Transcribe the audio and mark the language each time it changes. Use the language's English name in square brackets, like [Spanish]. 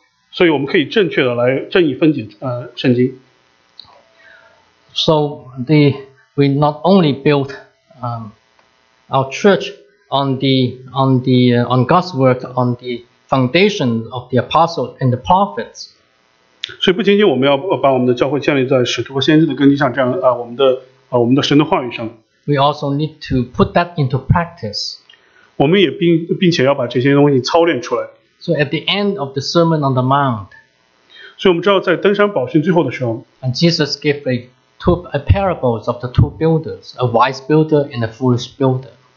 [Chinese] 所以我们可以正确的来正义分解圣经。 [English] So we not only build our church on God's word, on the foundation of the apostles and the prophets. [Chinese] 所以不仅仅我们要把我们的教会建立在使徒和先知的根基上，这样我们的神的话语上。 [English] We also need to put that into practice. [Chinese] 我们也并且要把这些东西操练出来。 [English] So at the end of the Sermon on the Mount, [Chinese] 所以我们知道在登山宝训最后的时候, [English] and Jesus gave a parables of the two builders, a wise builder and a foolish builder.